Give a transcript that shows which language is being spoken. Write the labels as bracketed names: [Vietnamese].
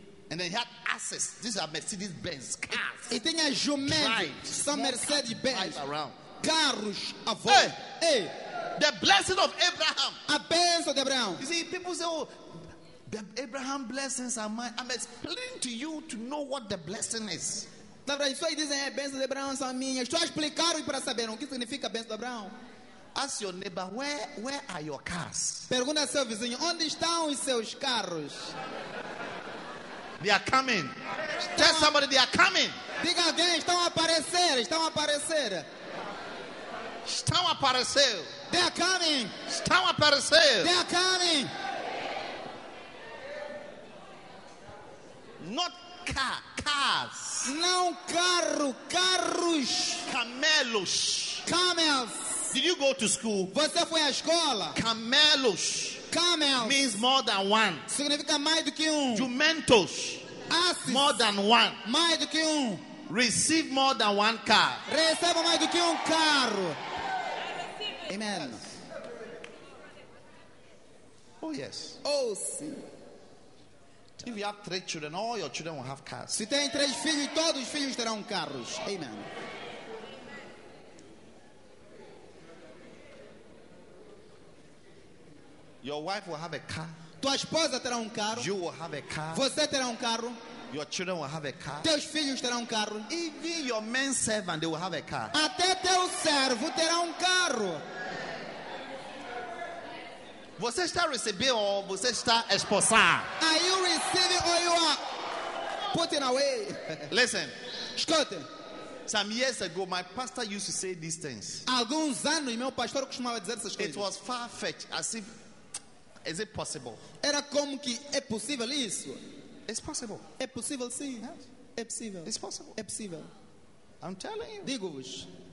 [English] And then he had asses. These are Mercedes Benz cars. [Portuguese] E tinha jumentos. São Mercedes Benz. Carros a voo. Hey. Hey. [English] The blessing of Abraham. [Portuguese] A bênção de Abraão. [English] You see, people say, "Oh, the Abraham blessings are mine." I'm explaining to you to know what the blessing is. [Portuguese] Na verdade, só dizem, "É, bênção de Abraão são minhas." Estou a explicar para saber o que significa a bênção de Abraão. [English] Ask your neighbor, where are your cars? [Portuguese] Pergunta ao seu vizinho, onde estão os seus carros? [English] They are coming. Tell somebody they are coming. [Portuguese] Diga alguém, estão a aparecer, estão a aparecer. Estão a aparecer. [English] They are coming. [Portuguese] Estão a aparecer. [English] They are coming. Not cars. [Portuguese] Não carro, carros. Camelos. [English] Camels. Did you go to school? [Portuguese] Você foi à escola? Camelos. [English] Camels. Means more than one. [Portuguese] Significa mais do que um. Jumentos. [English] Asses. More than one. [Portuguese] Mais do que um. [English] Receive more than one car. [Portuguese] Receba mais do que um carro. Amen. [English] Oh yes. [Portuguese] Oh sim. [English] If you have three children, all your children will have cars. [Portuguese] Se tem três filhos, todos os filhos terão carros. [English] Amen. Your wife will have a car. [Portuguese] Tua esposa terá carro. [English] You will have a car. [Portuguese] Você terá carro. [English] Your children will have a car. [Portuguese] Teus filhos terão carro. [English] Even your men servant, they will have a car. [Portuguese] Até teu servo terá carro. Você está recebendo ou você está expulsando? [English] Are you receiving or you are putting away? Listen. [Portuguese] Escute. [English] Some years ago, my pastor used to say these things. [Portuguese] Alguns anos, meu pastor costumava dizer essas coisas. [English] It was far-fetched, as if, is it possible? [Portuguese] Era como que é possível isso? [English] It's possible. [Portuguese] É possível, sim. [English] Yes. [Portuguese] É possível. [English] It's possible. [Portuguese] É possível. [English] I'm telling you. [Portuguese] Digo-vos.